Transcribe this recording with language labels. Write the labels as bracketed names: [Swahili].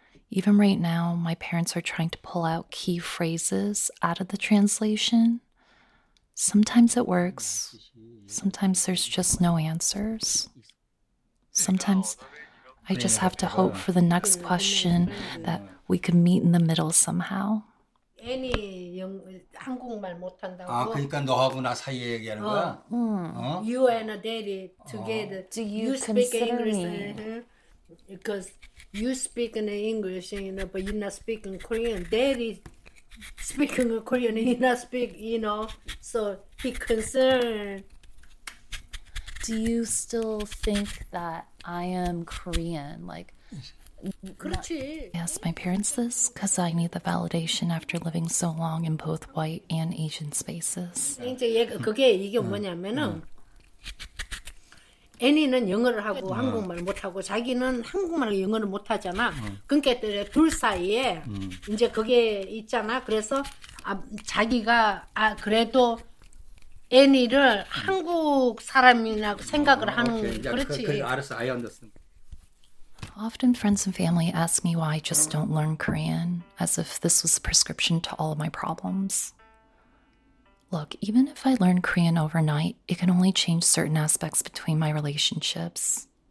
[English] Even right now, my parents are trying to pull out key phrases out of the translation. Sometimes it works. Sometimes there's just no answers. Sometimes I just have to hope for the next question that we can meet in the middle somehow. [Korean] 애니 영 한국말 못한다고. 아 그러니까 너하고 나 사이에 얘기하는 거야. [English] 어? You and a daddy together. Do you speak English? Because you speak in English, you know, but you're not speaking Korean. Daddy speaking Korean, he not speak, you know, so he concerned. Do you still think that I am Korean? Like, I ask my parents this because I need the validation after living so long in both white and Asian spaces. [Korean] 이제 얘가 그게 이게 뭐냐면은 애니는 영어를 하고 한국말 못 하고 자기는 한국말을 영어를 못 하잖아. 그러니까 둘 사이에 이제 그게 있잖아. 그래서 아, 자기가 아 그래도 애니를 한국 사람이나 생각을 하는 오케이. 그렇지. 그, 알았어. [English] I understand. Often friends and family ask me why I just don't learn Korean, as if this was a prescription to all of my problems. Look, even if I learn Korean overnight, it can only change certain aspects between my relationships.